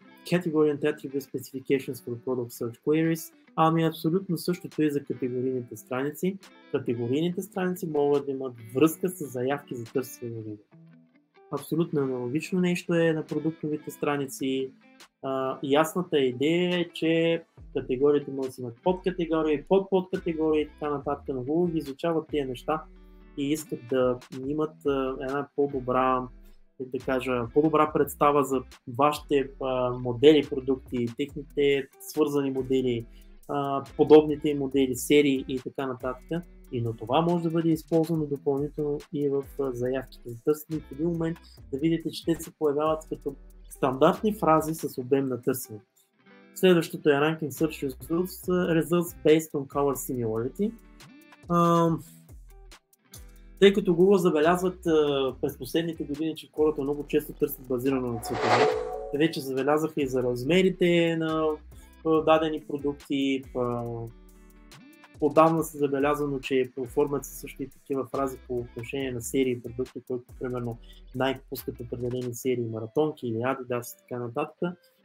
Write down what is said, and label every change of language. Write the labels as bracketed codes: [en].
[en] Category and attribute specifications for product search queries. [bg] Ами абсолютно същото и за категорийните страници. Категорийните страници могат да имат връзка с заявки за търсене на Google. Абсолютно аналогично нещо е на продуктовите страници. Ясната идея е, че категориите може да имат подкатегории, подподкатегории и така нататък, но Google ги изучават тези неща и искат да имат една по-добра, да кажа, по-добра представа за вашите модели, продукти, техните свързани модели, подобните модели, серии и така нататък. И на това може да бъде използвано допълнително и в заявките за търсене. В един момент да видите, че те се появяват като стандартни фрази с обем на търсене. Следващото е [en] Ranking Search Results Based on Color Similarity. [bg] Тъй като Google забелязват през последните години, че хората много често търсят базирано на цветове, вече забелязаха и за размерите на дадени продукти, отдавна се забелязано, че платформата са също и такива фрази по отношение на серии и продукти, които, примерно, най-пускат определени серии, маратонки или Adidas и така нататък.